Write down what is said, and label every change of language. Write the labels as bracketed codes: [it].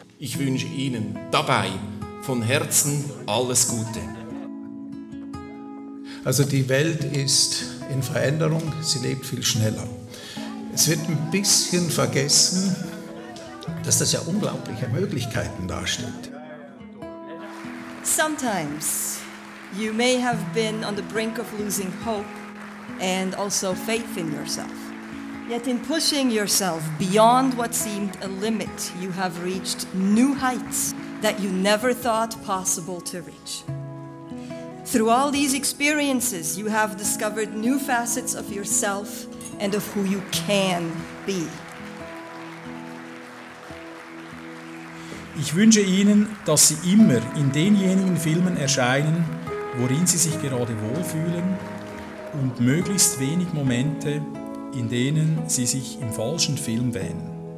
[de] Ich wünsche Ihnen dabei von Herzen alles Gute. Also die Welt ist in Veränderung, sie lebt viel schneller. Es wird ein bisschen vergessen, dass das ja unglaubliche Möglichkeiten darstellt. [en] Sometimes you may have been on the brink of losing hope and also faith in yourself. Yet in pushing yourself beyond what seemed a limit, you have reached new heights that you never thought possible to reach. Through all these experiences, you have discovered new facets of yourself and of who you can be. [de] Ich wünsche Ihnen, dass Sie immer in denjenigen Filmen erscheinen, worin Sie sich gerade wohlfühlen und möglichst wenig Momente, in denen Sie sich im falschen Film wähnen.